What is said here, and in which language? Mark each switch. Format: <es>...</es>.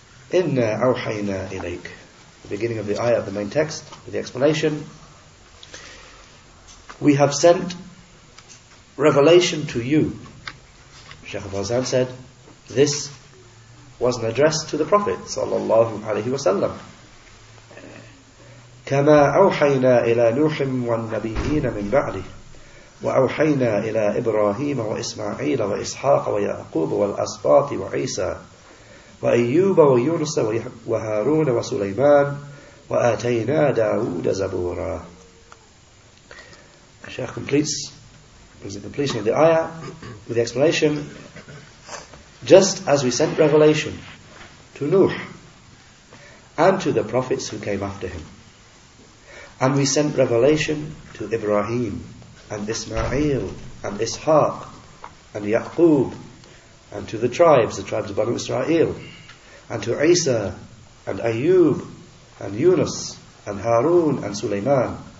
<ar>Inna awhayna ilayk.</ar> <en>The beginning of the ayah of the main text with the explanation: we have sent revelation to you. Shaykh Fawzan said, "This was an address to the Prophet sallallahu alaihi wasallam."</en> <ar>كما أوحينا إلى نوح والنبيين من بعده وأوحينا إلى إبراهيم وإسماعيل وإسحاق ويعقوب والأسباط وعيسى وأيوب ويونس وهارون وسليمان وآتينا داود زبورا.</ar> <en>Shaykh completes with the completion of the ayah with the explanation, just as we sent revelation to Nuh and to the prophets who came after him, and we sent revelation to Ibrahim and Ismail and Ishaq and Yaqub and to the tribes of Banu Israel, and to Isa and Ayyub and Yunus and Harun and Sulaiman</en>